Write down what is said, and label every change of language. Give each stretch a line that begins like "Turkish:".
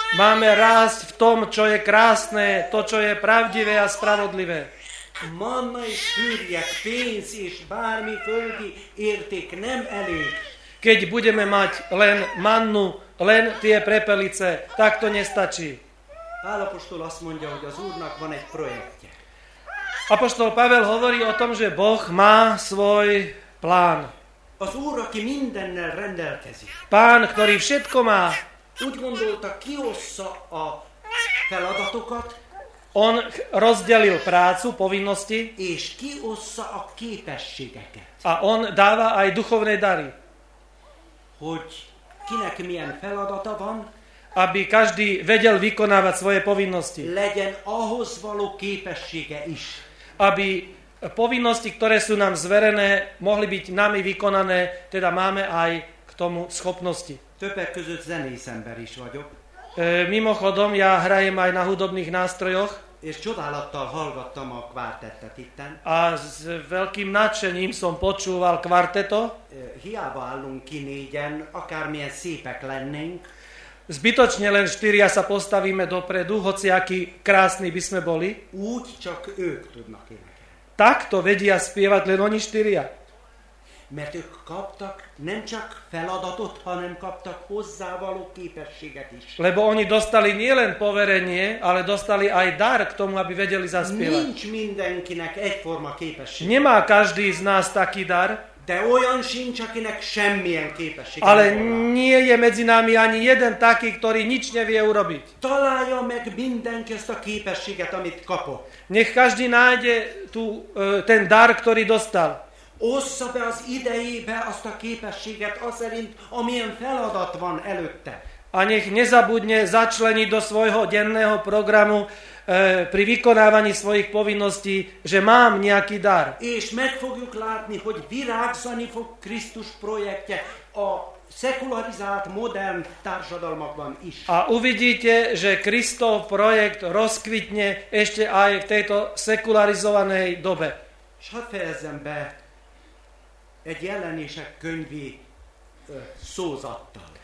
Slovak: Máme rásť v tom, čo je krásne, to, čo je pravdivé a spravodlivé.
Hungarian: Manna és fürjek, pénz és bármi földi érték nem elég.
Slovak: Keď budeme mať len mannu, len tie prepelice, tak to nestačí.
Hungarian: Pál apoštol azt mondja, hogy az Úrnak van egy projektje.
Slovak: Apostol Pavel hovorí o tom, že Boh má svoj plán.
Hungarian: Az Úr, aki mindennel rendelkezik.
Slovak: Pán, ktorý všetko má.
Hungarian: Úgy gondolta, kiossza a feladatokat.
Slovak: On rozdelil prácu, povinnosti.
Hungarian: És kiossza a képességeket.
Slovak: A on dáva aj duchovné dary.
Hungarian: Hogy kinek milyen feladata van.
Slovak: Aby každý vedel vykonávať svoje povinnosti.
Hungarian: Legyen ahhoz való képessége is.
Slovak: Aby povinnosti, ktoré sú nám zverené, mohli byť nami vykonané, teda máme aj k tomu schopnosti.
Hungarian: Többek között zenész ember is vagyok.
Slovak: Mimochodom, ja hrajem aj na hudobných nástrojoch.
Hungarian: És csodálattal hallgattam a kvartettet itten.
Slovak: A s veľkým nadšením som počúval kvarteto.
Hungarian: Hiába állunk ki négyen, akármilyen szépek lennénk.
Slovak: Zbytočne len štyria sa postavíme dopredu, hoci aký krásny by sme boli.
Hungarian: Úgy csak ők tudnak énekelni.
Slovak: Takto vedia spievať len oni štyria.
Hungarian: Mert ők kaptak nem csak feladatot, hanem kaptak hozzávaló képességet is.
Slovak: Lebo oni dostali nielen poverenie, ale dostali aj dar k tomu, aby vedeli zaspievať.
Hungarian: Nincs mindenkinek egyforma képessége.
Slovak: Nemá každý z nás taký dar.
Hungarian: De olyan sincs, akinek semmilyen képessége.
Slovak: Ale nie je medzi nami ani jeden taký, ktorý nič nevie urobiť.
Hungarian: Találja meg mindenki ezt a képességet, amit kapott.
Slovak: Nech každý nájde ten dar, ktorý dostal.
Hungarian: Ossza be az idejébe azt a képességet, azerint, amilyen feladat van előtte.
Slovak: A nech nezabudne začleniť do svojho denného programu pri vykonávaní svojich povinností, že mám nejaký dar.
Hungarian: És meg fogjuk látni, hogy virágzani fog Krisztus projektje a szekularizált modern társadalmakban is.
Slovak: A uvidíte, že Kristov projekt rozkvitne ešte aj v tejto sekularizovanej dobe.
Hungarian: És hadd fejezzem be egy jelenések könyvi szózattal.